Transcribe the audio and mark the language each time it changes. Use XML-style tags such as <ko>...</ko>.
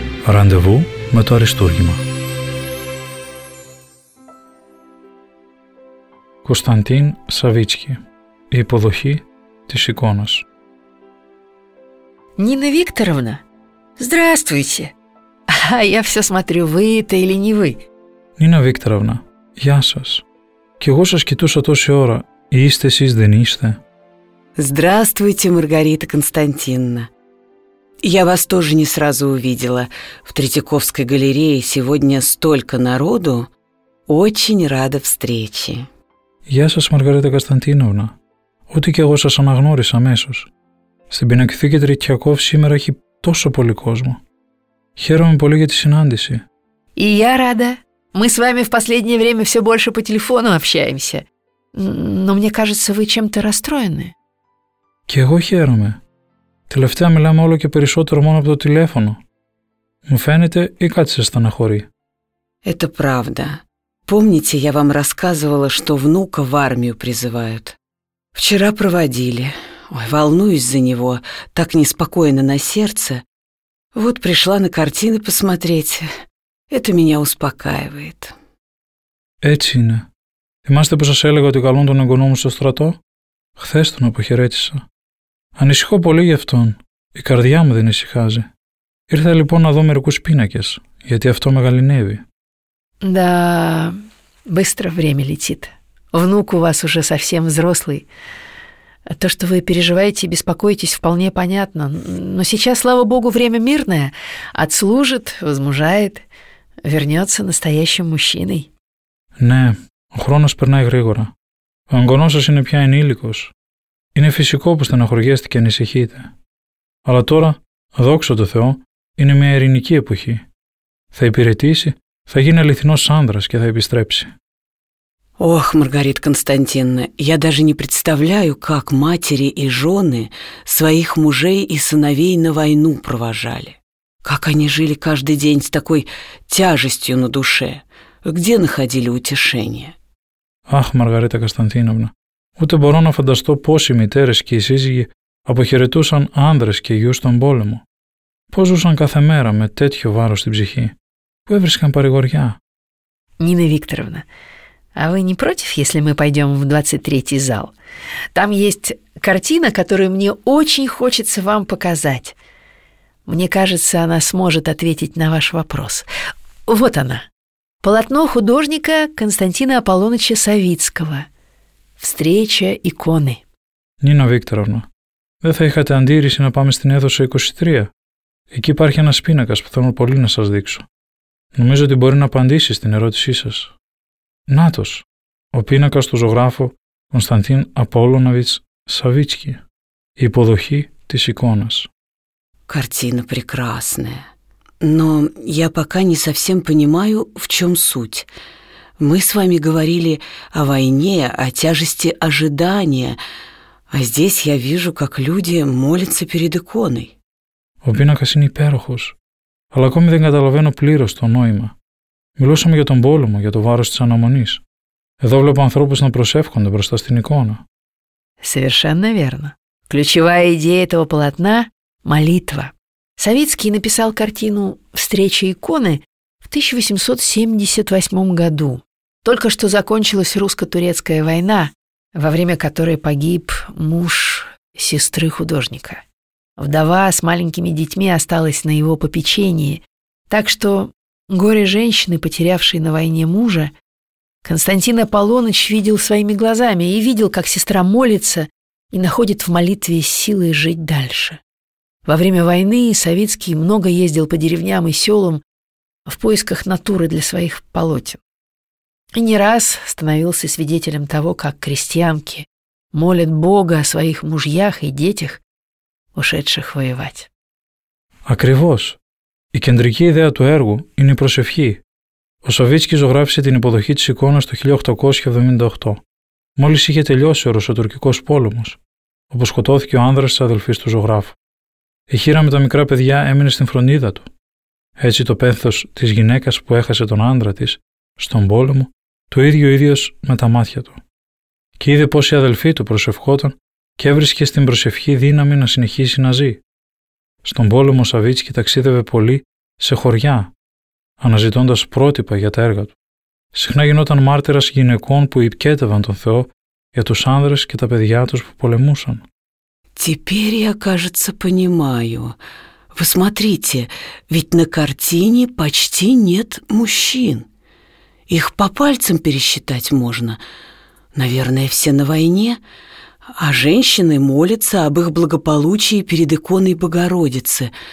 <el>Ραντεβού με το αριστούργημα. Κωνσταντίν Σαβίτσκι. Η υποδοχή της εικόνας.</el> <ru>Νίνα Βίκτοροβνα, здравствуйте. А я все смотрю, вы это или не вы?</ru> <el>Νίνα Βίκτοροβνα, γεια σας. Κι εγώ σας κοιτούσα τόση ώρα. Είστε εσείς, δεν είστε?</el> <ru>Здравствуйте, Маргарита Константиновна. Я вас тоже не сразу увидела. В Третьяковской галерее сегодня столько народу. Очень рада встрече.</ru> <el>Γεια σας, Μαργαρίτα Κωνσταντίνοβνα. Ούτε κι εγώ σας αναγνώρισα αμέσως. Στην Πινακοθήκη Τριτιακόβ σήμερα έχει τόσο πολύ κόσμο. Χαίρομαι πολύ για τη συνάντηση.</el> <ru>И я рада. Мы с вами в последнее время все больше по телефону общаемся. Но мне кажется, вы чем-то расстроены.</ru> <el>Κι εγώ χαίρομαι. Τελευταία μιλάμε όλο και περισσότερο μόνο από το τηλέφωνο. Μου φαίνεται ή κάτι σας στεναχωρεί?</el> <ru>Это правда. Помните, я вам рассказывала, что внука в армию призывают? Вчера проводили. Ой, волнуюсь за него, так неспокойно на сердце. Вот пришла на картины посмотреть. Это меня успокаивает.</ru> <el>Έτσι είναι. Θυμάστε που σας έλεγα ότι καλούν τον εγγονό μου στο στρατό? Χθες τον αποχαιρέτησα. Ανησυχώ πολύ γι' αυτόν. Η καρδιά μου δεν ησυχάζει. Ήρθα λοιπόν να δω μερικούς πίνακες, γιατί αυτό μεγαλυνεύει.</el> <ru>Да, быстро время летит. Внук у вас уже совсем взрослый. То, что вы переживаете и беспокоитесь, вполне понятно. Но сейчас, слава богу, время мирное. Отслужит, возмужает, вернется настоящим мужчиной.</ru> <el>Не, ο χρόνος περνάει γρήγορα. Ο εγγονός σας είναι πια ενήλικος. Είναι φυσικό που στενοχωριέστε και ανησυχείτε. Αλλά τώρα, δόξα τω Θεώ, είναι μια ειρηνική εποχή. Θα υπηρετήσει, θα γίνει αληθινός άνδρας και θα επιστρέψει.</el> <ru>Ох, Маргарита Константиновна, я даже не представляю, как матери и жены своих мужей и сыновей на войну провожали. Как они жили каждый день с такой тяжестью на душе. Где находили утешение?</ru> <el>Ах, Маргарита Константиновна, ούτε μπορώ να φανταστώ πώς οι μητέρες και οι σύζυγοι αποχαιρετούσαν άνδρες και γιους στον πόλεμο. Πώς ζούσαν κάθε μέρα με τέτοιο βάρος στην ψυχή. Πού έβρισκαν παρηγοριά?</el> <ru>Νίνα Βίκτοροβνα, а вы не против, если мы пойдем в 23-й зал? Там есть картина, которую мне очень хочется вам показать. Мне кажется, она сможет ответить на ваш вопрос. Вот она. Полотно художника Константина Аполлоныча Савицкого. Встреча иконы.</ru> <el>Нина Викторовна, δεν θα είχατε αντίρρηση να πάμε στην αίθουσα 23? Εκεί υπάρχει ένας πίνακας που θέλω πολύ να σας δείξω. Νομίζω ότι μπορεί να απαντήσει στην ερώτησή σας. Νάτος, ο πίνακας του ζωγράφου Κωνσταντίν Απόλλωναβιτς Σαβίτσκι. Η υποδοχή της εικόνας.</el> <ru>Картина прекрасная. Но я пока не совсем понимаю, в чем суть. Мы с вами говорили о войне, о тяжести ожидания, а здесь я вижу, как люди молятся перед иконой.</ru> <el>Ο πίνακας είναι υπέροχος, αλλά ακόμη δεν καταλαβαίνω πλήρως το νόημα. Μιλούσαμε για τον πόλεμο, για το βάρος της αναμονής. Εδώ βλέπω ανθρώπους να προσεύχονται μπροστά στην εικόνα.</el> <ru>Совершенно верно. Ключевая идея этого полотна – молитва. Савицкий написал картину «Встреча иконы» в 1878 году. Только что закончилась русско-турецкая война, во время которой погиб муж сестры художника. Вдова с маленькими детьми осталась на его попечении, так что горе женщины, потерявшей на войне мужа, Константин Аполлоныч видел своими глазами и видел, как сестра молится и находит в молитве силы жить дальше. Во время войны Савицкий много ездил по деревням и селам в поисках натуры для своих полотен. И не раз становился свидетелем того, как крестьянки молят Бога о своих мужьях и детях, ушедших воевать.</ru> <el>Ακριβώς. Η κεντρική ιδέα του έργου είναι η προσευχή. Ο Σαββίτσκι ζωγράφησε την υποδοχή της εικόνας το 1878. Μόλις είχε τελειώσει ο Ρωσοτουρκικός πόλεμος, όπου σκοτώθηκε ο άνδρας της αδελφής του ζωγράφου. Η χείρα με τα μικρά παιδιά έμεινε στην φροντίδα του. Έτσι το πένθος της γυναίκας που έχασε τον άνδρα της στον πόλεμο, το ίδιο ίδιος με τα μάτια του. Και είδε πως η αδελφή του προσευχόταν και έβρισκε στην προσευχή δύναμη να συνεχίσει να ζει. Στον πόλεμο Σαββίτσκι ταξίδευε πολύ σε χωριά, αναζητώντας πρότυπα για τα έργα του. Συχνά γινόταν μάρτυρας γυναικών που υπηκέτευαν τον Θεό για τους άνδρες και τα παιδιά τους που πολεμούσαν.</el> <ru>«Теперь я, кажется, понимаю. Вы смотрите, ведь на картине почти нет мужчин. Их по пальцам пересчитать можно. Наверное, все на войне. А женщины молятся об их благополучии перед иконой Богородицы.</ru>